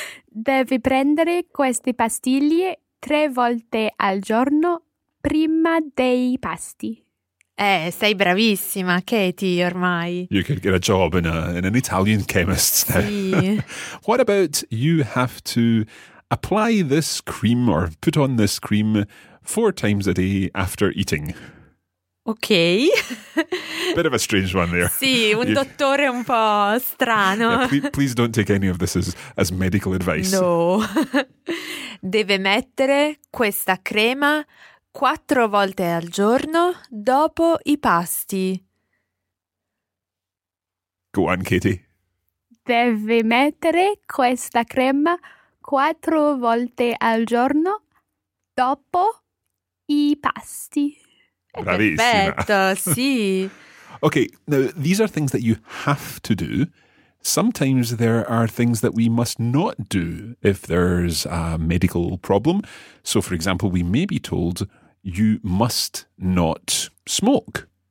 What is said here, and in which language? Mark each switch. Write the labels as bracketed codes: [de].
[it] Devi prendere queste pastiglie tre volte al giorno prima dei pasti. Sei bravissima, Katie, ormai. [en] You could get a job in an Italian chemist. [it] Sì. [en] What about you have to apply this cream or put on this cream four times a day after eating? Ok. Bit of a strange one there. [it] Sì, un dottore un po' strano. [en] Yeah, please don't take any of this as medical advice. No. [it] Deve mettere questa crema 4 volte al giorno dopo i pasti. [en] Go on, Katie. [it] Deve mettere questa crema 4 volte al giorno dopo i pasti. Bravissima. Perfetto, sì. [en] Okay, now these are things that you have to do. Sometimes there are things that we must not do if there's a medical problem. So, for example, we may be told you must not smoke.